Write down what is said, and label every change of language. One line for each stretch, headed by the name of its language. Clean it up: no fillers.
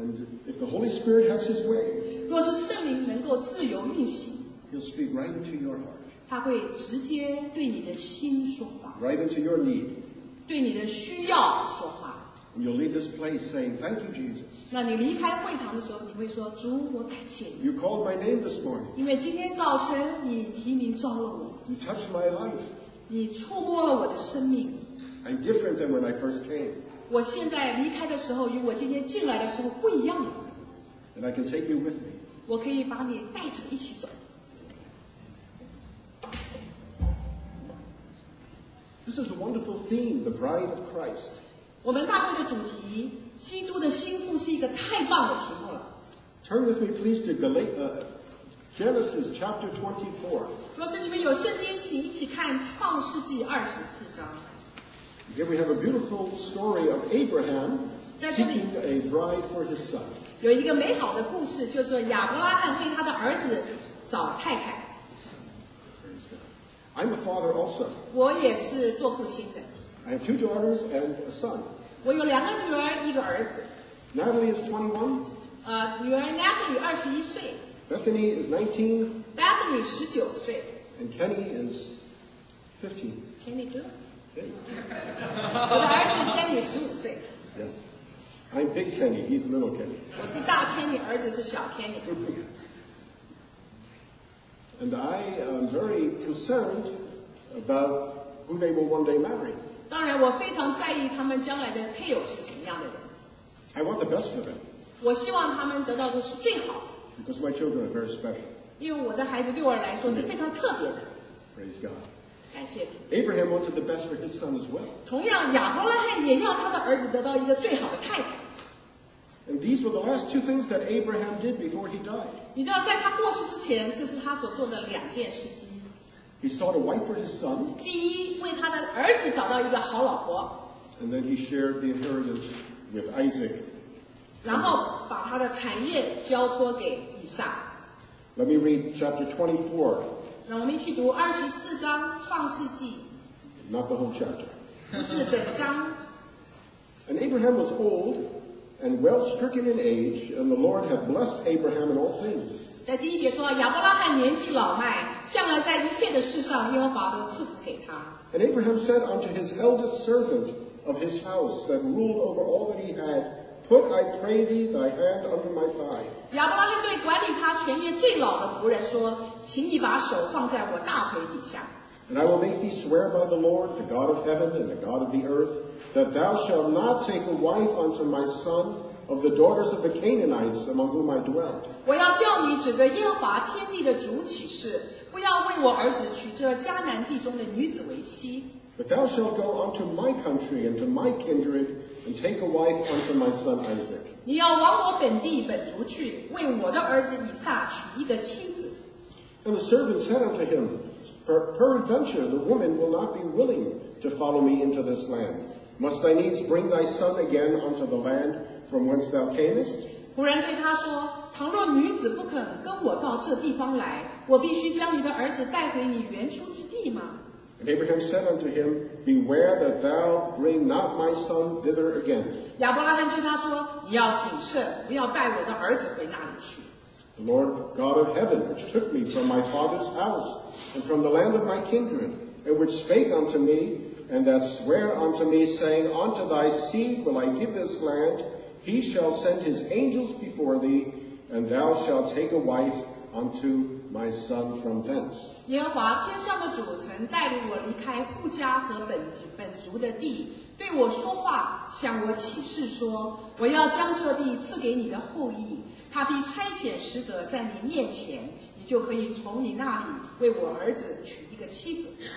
English: And if the Holy Spirit has his way.
Chinese: 若是圣灵能够自由运行。
English: He'll speak right into your heart.
Chinese: 他会直接对你的心说话
English: ，right into your need，
Chinese: 对你的需要说话。
English: And you'll leave this place saying thank you, Jesus.
Chinese: 那你离开会堂的时候，你会说主，我感谢你。
English: You called my name this morning.
Chinese: 因为今天早晨你提名召了我。
English: You touched my life.
Chinese: 你触摸了我的生命。
English: I'm different than when I first came.
Chinese: 我现在离开的时候与我今天进来的时候不一样了。
English: And I can take you with me.
Chinese: 我可以把你带着一起走。
English: This is a wonderful theme, the Bride of Christ.
Chinese: 我们大会的主题，基督的心腹是一个太棒的题目了。
English: Turn with me, please, to Genesis chapter 24.
Chinese: 若是你们有圣经，请一起看创世纪二十四章。
English: Here we have a beautiful story of Abraham seeking a bride for his son.
Chinese: 有一个美好的故事，就是亚伯拉罕为他的儿子找太太。
English: I'm a father also.
Chinese: 我也是做父亲的。
English: I have two daughters and a son.
Chinese: 我有两个女儿，一个儿子。
English: Natalie is 21.
Chinese: 女儿 Natalie 21岁。
English: Bethany is 19.
Chinese: Bethany 19岁。
English: And Kenny is 15.
Chinese: Kenny 哥。Kenny. 我的儿子 Kenny 15岁。
English: Yes. I'm big Kenny. He's little Kenny.
Chinese: 我是大 Kenny， 儿子是小 Kenny。
English: And I am very concerned about who they will one day marry.
Chinese: 当然，我非常在意他们将来的配偶是什么样的人。
English: I want the best for them.
Chinese: 我希望他们得到的是最好。
English: Because my children are very special.
Chinese: 因为我的孩子对我来说是非常特别的。
English: Praise God.
Chinese: 感谢主。
English: Abraham wanted the best for his son as well.
Chinese: 同样，亚伯拉罕也要他的儿子得到一个最好的太太。
English: And these were the last two things that Abraham did before he died.
Chinese: 你知道，在他过世之前，这是他所做的两件事情。
English: He sought a wife for his son.
Chinese: 第一，为他的儿子找到一个好老婆。
English: And then he shared the inheritance with Isaac.
Chinese: 然后他的产业交托给以撒。
English: Let me read chapter 24.
Chinese: 让我们一起读二十四章创世纪。
English: Not the whole chapter.
Chinese: 不是整章。
English: And Abraham was old and well stricken in age, and the Lord had blessed Abraham in all things.
Chinese: 在第一节说，亚伯拉罕年纪老迈，向来在一切的事上，耶和华都赐福给他。
English: And Abraham said unto his eldest servant of his house that ruled over all that he had, Put, I pray thee, thy hand under my thigh.
Chinese: 亚伯拉罕对管理他全业最老的仆人说，请你把手放在我大腿底下。
English: And I will make thee swear by the Lord, the God of heaven and the God of the earth, that thou shalt not take a wife unto my son of the daughters of the Canaanites among whom I dwell.
Chinese: 我要叫你指着耶和华天地的主起誓，不要为我儿子娶这迦南地中的女子为妻。
English: But thou shalt go unto my country and to my kindred and take a wife unto my son Isaac.
Chinese: 你要往我本地本族去，为我的儿子以撒娶一个妻子。
English: And the servant said unto him, Peradventure the woman will not be willing to follow me into this land. Must I needs bring thy son again unto the land from whence thou camest?
Chinese: 仆人对他说，倘若女子不肯跟我到这地方来，我必须将你的儿子带回你原出之地吗？
English: And Abraham said unto him, Beware that thou bring not my son thither again.
Chinese: 亚伯拉罕对他说，你要谨慎，不要带我的儿子回那里去。
English: The Lord God of heaven, which took me from my father's house and from the land of my kindred, and which spake unto me, and that sware unto me, saying, Unto thy seed will I give this land, he shall send his angels before thee, and thou shalt take a wife unto my son from thence.
Chinese: 耶和华天上的主曾带领我离开父家和本族的地，对我说话，向我启示说，我要将这地赐给你的后裔，他必差遣使者在你面前，你就可以从你那里为我儿子娶一个妻子。